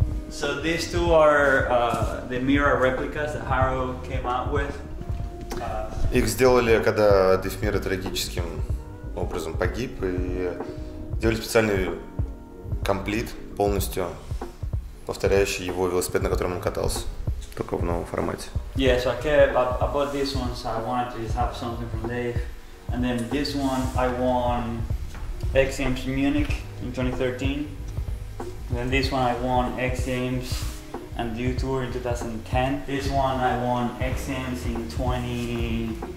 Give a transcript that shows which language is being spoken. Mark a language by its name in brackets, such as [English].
[English] So these two are the mirror replicas that Haro came out with. [Russian] Их сделали, когда Дефмира трагическим образом погиб, и делали специальный комплит полностью повторяющий его велосипед, на котором он катался, только в новом формате. [English] Yeah, so I bought this one, so I wanted to just have something from Dave. And then this one I won X Games Munich in 2013. And then this one I won X Games and U Tour in 2010. This one I won X Games in 20...